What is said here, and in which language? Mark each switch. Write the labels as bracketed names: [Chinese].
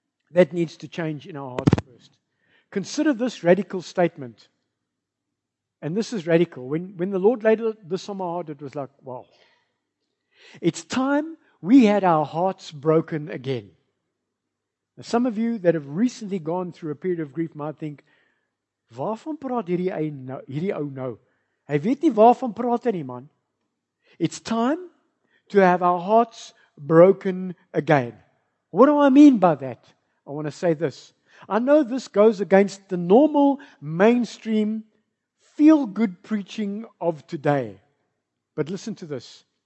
[English] That needs to change in our hearts first. Consider this radical statement. And this is radical. When the Lord laid this on my heart, it was like, wow. It's time we had our hearts broken again. Now, some of you that have recently gone through a period of grief might think, [Afrikaans] waarvan praat hierdie ou nou? Hy weet nie waarvan praat hy nie, man. [English] It's time to have our hearts broken again. What do I mean by that? I want to say this. I know this goes against the normal mainstream feel-good preaching of today. But listen to this.